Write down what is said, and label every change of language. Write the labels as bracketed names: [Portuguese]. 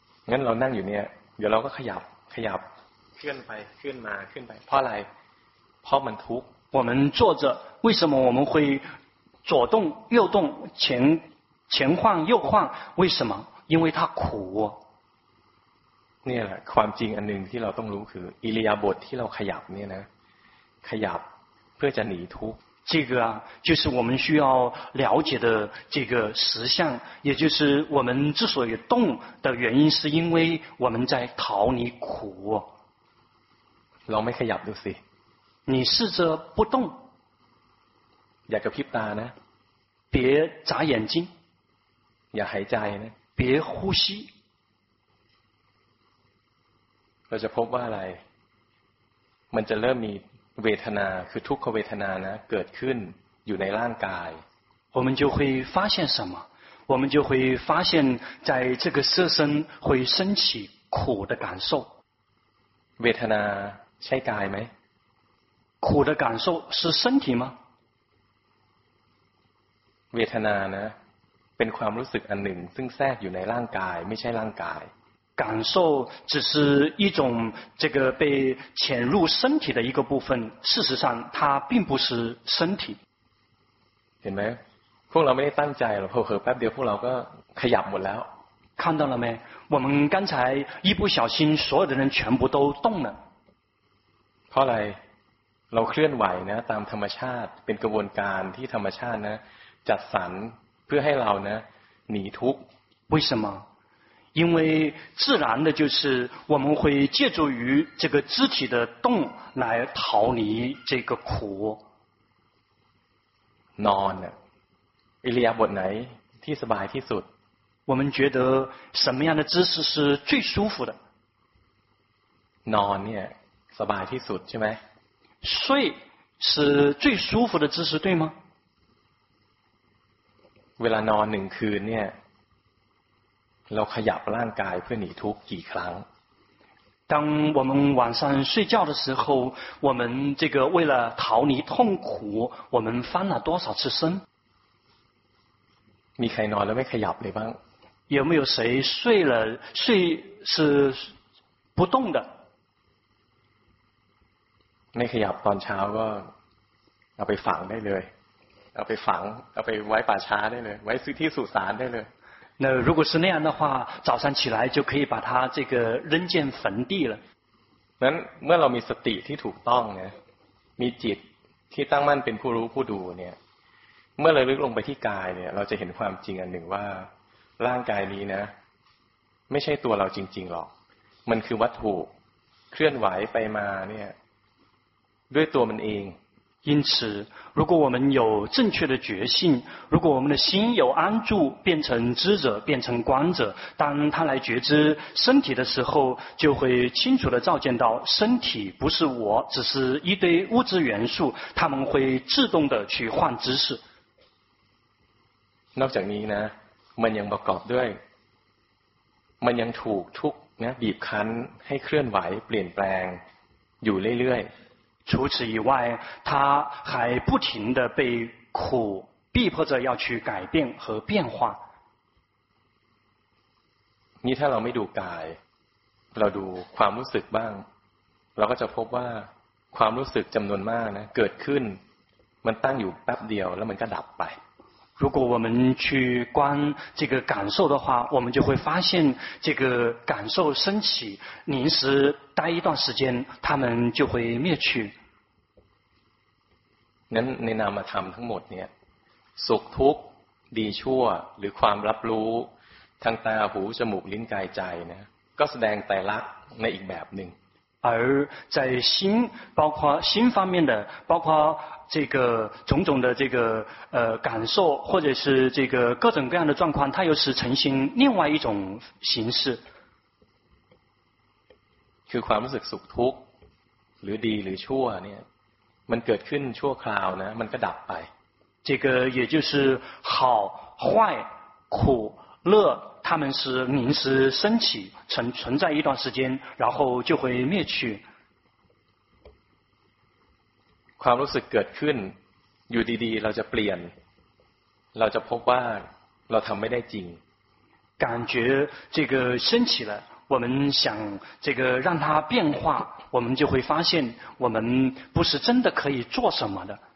[Thai] งั้นเรานั่งอยู่เนี่ยเดี๋ยวเราก็ขยับเคลื่อนไปเคลื่อนมาเคลื่อนไปเพราะอะไรเพราะมันทุกข์ [Chinese] 我们坐着为什么我们会左动右动前晃右晃为什么因为它苦 [Thai] เนี่ยแหละความจริงอันหนึ่งที่เราต้องรู้คืออิริยาบถที่เราขยับเนี่ยนะขยับเพื่อจะหนีทุกข์ [Chinese] 这个啊就是我们需要了解的这个实相也就是我们之所以动的原因是因为我们在逃离苦 [Thai] ลองไม่ขยับดูสิ [Chinese] 你试着不动 [Thai] อย่ากระพริบตานะ [Chinese] 别眨眼睛 [Thai] อย่าหายใจนะ [Chinese] 别呼吸 [Thai] เราจะพบว่าอะไรมันจะเริ่มมีเวทนาคือทุกขเวทนานะเกิดขึ้นอยู่ในร่างกาย [Chinese] 我们就会发现什么我们就会发现在这个色身会升起苦的感受 [Thai] เวทนาใช่กายไหม [Chinese] 苦的感受是身体吗 [Thai] เวทนานะเป็นความรู้สึกอันหนึ่งซึ่งแทรกอยู่ในร่างกายไม่ใช่ร่างกาย [Chinese] 感受只是一种这个被潜入身体的一个部分事实上它并不是身体 [Thai] เห็นไหมพวกเราไม่ได้ตั้งใจหรอกเผลอๆแป๊บเดียวพวกเราก็ขยับหมดแล้ว [Chinese] 看到了没我们刚才一不小心所有的人全部都动了 [Thai] เพราะอะไรเราเคลื่อนไหวนะตามธรรมชาติเป็นกระบวนการที่ธรรมชาตินะจัดสรรเพื่อให้เรานะหนีทุกข์ [Chinese] 为什么因为自然的就是我们会借助于这个肢体的动来逃离这个苦 [Thai] นอนอิริยาบถไหนที่สบายที่สุด [Chinese] 我们觉得什么样的姿势是最舒服的 [Thai] นอนเนี่ยสบายที่สุดใช่ไหม [Chinese] 睡是最舒服的姿势对吗 [Thai] เวลานอนหนึ่งคืนเนี่ยเราขยับร่างกายเพื่อหนีทุกข์กี่ครั้ง [Chinese] 当我们晚上睡觉的时候我们这个为了逃离痛苦我们翻了多少次身 [Thai] มีใครนอนแล้วไม่ขยับเลยบ้าง [Chinese] 有没有谁睡了睡是不动的 [Thai] ไม่ขยับตอนเช้าก็เอาไปฝังได้เลยเอาไปฝังเอาไปไว้ป่าช้าได้เลยไว้ซื้อที่สุสานได้เลย [Chinese] 那如果是那样的话早上起来就可以把它这个扔进坟地了 [Thai] นั้นเมื่อเรามีสติที่ถูกต้องนะมีจิตที่ตั้งมั่นเป็นผู้รู้ผู้ดูเนี่ยเมื่อเราลึกลงไปที่กายเนี่ยเราจะเห็นความจริงอันหนึ่งว่าร่างกายนี้นะไม่ใช่ตัวเราจริงๆหรอกมันคือวัตถุเคลื่อนไหวไปมาเนี่ยด้วยตัวมันเอง [Chinese] 因此如果我们有正确的觉性如果我们的心有安住变成知者变成观者当他来觉知身体的时候就会清楚地照见到身体不是我只是一堆物质元素他们会自动地去换姿势 [Thai] นอกจากนี้นะมันยังประกอบด้วยมันยังถูกทุกข์นะบีบคั้นให้เคลื่อนไหวเปลี่ยนแปลงอยู่เรื่อย [Chinese] ๆ除此以外他还不停地被苦逼迫着要去改变和变化 [Thai] นี่ถ้าเราไม่ดูกายเราดูความรู้สึกบ้างเราก็จะพบว่าความรู้สึกจำนวนมากนะเกิดขึ้นมันตั้งอยู่แป๊บเดียวแล้วมันก็ดับไป [Chinese] 如果我们去观这个感受的话我们就会发现这个感受升起临时待一段时间他们就会灭去 [Thai] นั้นในนามธรรมทั้งหมดเนี่ยสุขทุกข์ดีชั่วหรือความรับรู้ทางตาหูจมูกลิ้นกายใจนะก็แสดงไตรลักษณ์ในอีกแบบหนึ่ง [Chinese] 而在心包括心方面的包括这个种种的这个感受或者是这个各种各样的状况它又是呈现另外一种形式 [Thai] คือความรู้สึกสุขทุกข์หรือดีหรือชั่วเนี่ยมันเกิดขึ้นชั่วคราวนะมันก็ดับไป [Chinese] 这个也就是好坏苦乐它们是临时升起 存在一段时间然后就会灭去 [Thai] ความรู้สึกเกิดขึ้นอยู่ดีๆเราจะเปลี่ยนเราจะพบว่าเราทำไม่ได้จริง [Chinese] 感觉这个升起了我们想这个让它变化我们就会发现我们不是真的可以做什么的